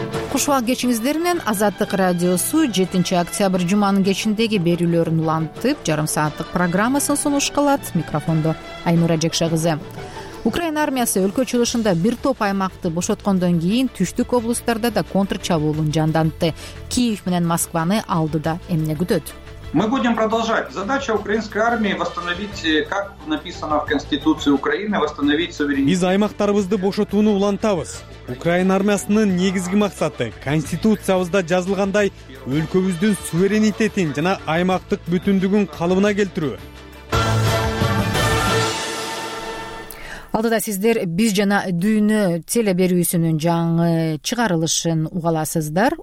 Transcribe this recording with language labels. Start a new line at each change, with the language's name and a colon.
Kyrgyz: Кушубак кечиңиздер менен Азаттык радиосу 7-октябрь жуманын кечиндеги берүүлөрүн улантып, жарым сааттык программасын сунушкалат. Микрофондо Айнура Жекше кызы. Украина армиясы өлкө чыгышында бир топ аймакты бошоткондон кийин түштүк облустарда да контр чабуулун жандантты. Киев менен Москваны алдыда эмне күтөт?
Russian: Мы будем продолжать. Задача украинской армии восстановить, как написано в Конституции Украины, восстановить суверенитет.
Kyrgyz: Биз аймактарыбызды бошотууну улантабыз. Украина армиясынын негизги максаты конституциябызда жазылгандай өлкөбүздүн суверенитетин жана аймактык бүтүндүгүн калыбына келтирүү. Алдыда сиздер биз жана дүйнө телеберүүсүнүн жаңы чыгарылышын угаласыздар.